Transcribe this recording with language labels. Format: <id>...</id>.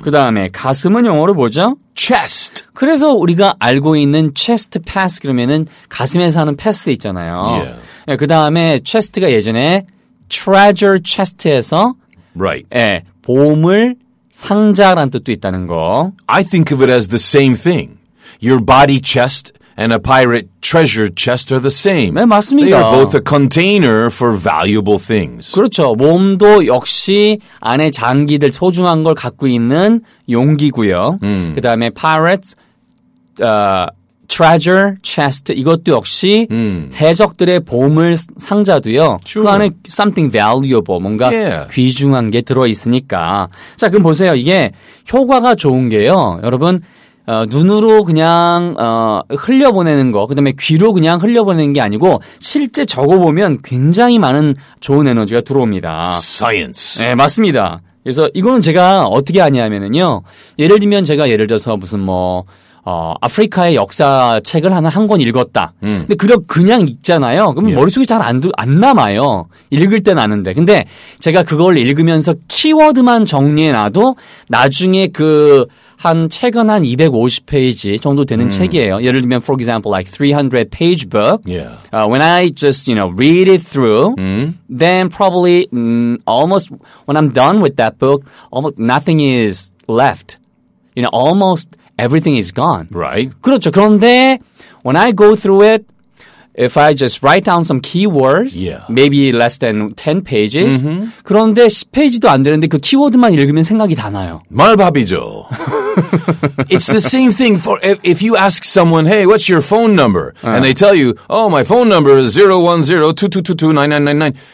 <ko>그 다음에 가슴은 영어로 뭐죠?</ko> <en>Chest.</en> <ko>그래서 우리가 알고 있는 chest pass 그러면은 가슴에서 하는 패스 있잖아요.</ko> <en>Yeah.</en> <ko>그 다음에 chest가 예전에 treasure chest에서</ko> <en>right.</en> <ko>예, 보물 상자란 뜻도 있다는 거.</ko> <en>I think of it as the same thing. Your body chest and a pirate treasure chest are the same.</en> <ko>네, 맞습니다.</ko> <en>They are both a container for valuable things.</en> <ko>그렇죠. 몸도 역시 안에 장기들 소중한 걸 갖고 있는 용기고요. 그 다음에 pirate treasure chest 이것도 역시 해적들의 보물 상자도요.</ko> <en>Sure.</en> <ko>그 안에</ko> <en>something valuable</en> <ko>뭔가</ko> <en>yeah.</en> <ko>귀중한 게 들어있으니까. 자, 그럼 보세요. 이게 효과가 좋은 게요. 여러분 눈으로 그냥 흘려보내는 거, 그다음에 귀로 그냥 흘려보내는 게 아니고 실제 적어보면 굉장히 많은 좋은 에너지가 들어옵니다.</ko> <en>Science.</en> <ko>네, 맞습니다. 그래서 이거는 제가 어떻게 아냐면은요, 예를 들면 제가 예를 들어서 무슨 뭐 아프리카의 역사 책을 하나 한 권 읽었다. 근데 그냥 읽잖아요. 그럼</ko> <en>yeah.</en> <ko>머릿속에 잘 안 남아요. 읽을 때 나는데. 근데 제가 그걸 읽으면서 키워드만 정리해 놔도 나중에 그 한 책은 한 250페이지 정도 되는 책이에요. 예를 들면</ko> <en>for example like 300 page book. Yeah. When I just, you know, read it through, then probably almost when I'm done with that book, almost nothing is left. You know, almost everything is gone. Right.</en> <ko>그렇죠. 그런데</ko> <en>when I go through it, if I just write down some keywords, yeah. maybe less than 10 pages, mm-hmm.</en> <ko>그런데 10페이지도 안 되는데 그 키워드만 읽으면 생각이 다 나요. 말밥이죠.</ko> <en>It's the same thing for if you ask someone, hey, what's your phone number? And they tell you, oh, my phone number is 010-2222-9999.</en>